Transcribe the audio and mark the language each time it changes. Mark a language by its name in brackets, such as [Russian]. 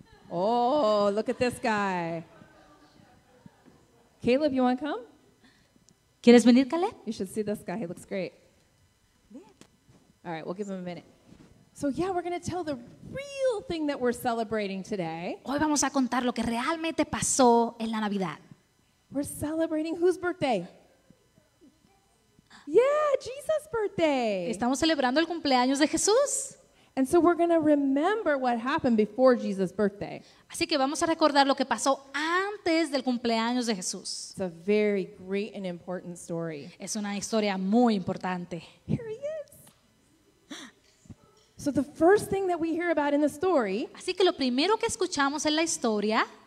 [English] Oh, look at this guy. Caleb, you want to come? [Spanish] ¿Quieres venir, Caleb? [English] You should see this guy. He looks great. Yeah. All right, we'll give him a minute. So, yeah, we're going to tell the real thing that we're celebrating today. [Spanish] Hoy vamos a contar lo que realmente pasó en la Navidad. [English] We're celebrating whose birthday? Yeah, Jesus' birthday. [Spanish] Estamos celebrando el cumpleaños de Jesús. [English] And so we're going to remember what happened before Jesus' birthday. [Spanish] Así que vamos a recordar lo que pasó antes del cumpleaños de Jesús. [English] It's a very great and important story. [Spanish] Es una historia muy importante. [English] Here he is. So the first thing that we hear about in the story, [Spanish] así que lo primero que escuchamos en la historia,